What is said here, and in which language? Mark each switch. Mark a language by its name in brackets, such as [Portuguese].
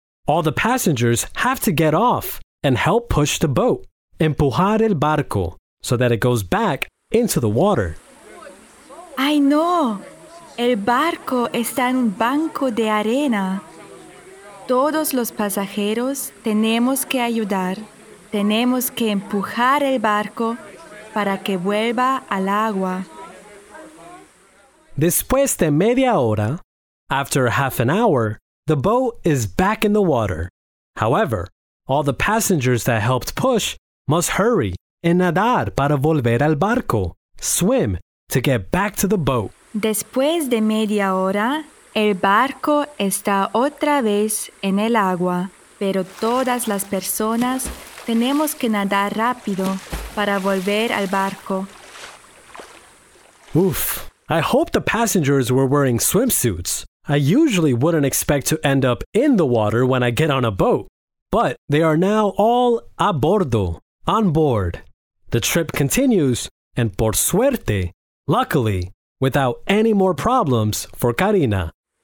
[English] All the passengers have to get off and help push the boat, [Spanish] empujar el barco, [English] so that it goes back into the water. I know. [Spanish] El barco está en un banco de arena. Todos los pasajeros tenemos que ayudar. Tenemos que empujar el barco para que vuelva al agua. Después de media hora, [English] after half an hour, the boat is back in the water. However, all the passengers that helped push must hurry and [Spanish] nadar para volver al barco, [English] swim to get back to the boat. [Spanish] Después de media hora, el barco está otra vez en el agua, pero todas las personas tenemos que nadar rápido para volver al barco. [English] Oof. I hope the passengers were wearing swimsuits. I usually wouldn't expect to end up in the water when I get on a boat. But they are now all a bordo, on board. The trip continues, and [Spanish] por suerte, [English] luckily, without any more problems for Karina.